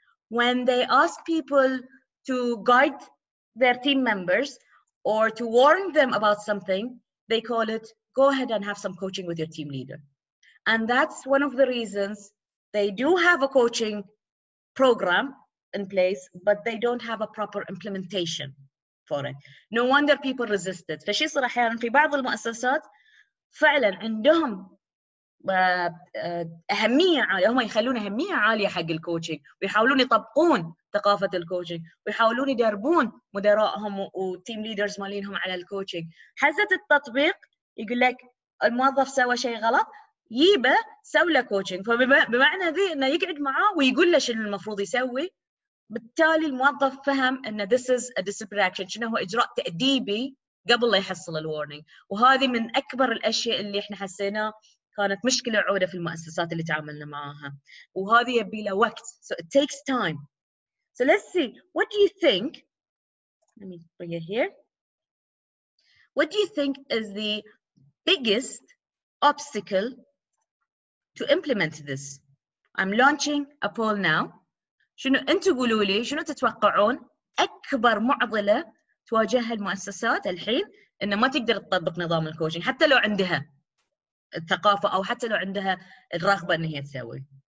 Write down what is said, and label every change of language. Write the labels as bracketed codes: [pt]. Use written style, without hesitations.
[en] When they ask people to guide their team members or to warn them about something, they call it, go ahead and have some coaching with your team leader. And that's one of the reasons they do have a coaching program in place, but they don't have a proper implementation for it. No wonder people resist it. [ar] فشي صار أحيانا في بعض المؤسسات فعلا عندهم أهمية عالية, هم يخلون أهمية عالية حق الكوتشينج ويحاولون يطبقون ثقافة الكوتشينج ويحاولون يدربون مدراءهم وتيم ليدرز مالينهم على الكوتشينج. حزة التطبيق يقول لك الموظف سوى شيء غلط, ييبه سوى له كوتشينج. فبمعنى ذي إنه يقعد معاه ويقول له شنو المفروض يسوي, بالتالي الموظف فهم إن [en] this is a disciplinary action, [ar] شنو هو إجراء تأديبي قبل لا يحصل الوارنينج. وهذه من أكبر الأشياء اللي إحنا حسينا كانت مشكلة عودة في المؤسسات اللي تعاملنا معها, وهذه يبي لها وقت. [en] So it takes time. So let's see, what do you think, let me bring it here, what do you think is the biggest obstacle to implement this? I'm launching a poll now. [ar] شنو انتوا قولوا لي, شنو تتوقعون اكبر معضلة تواجهها المؤسسات الحين ان ما تقدر تطبق نظام الكوتشنج حتى لو عندها الثقافة أو حتى لو عندها الرغبة إن هي تسوي؟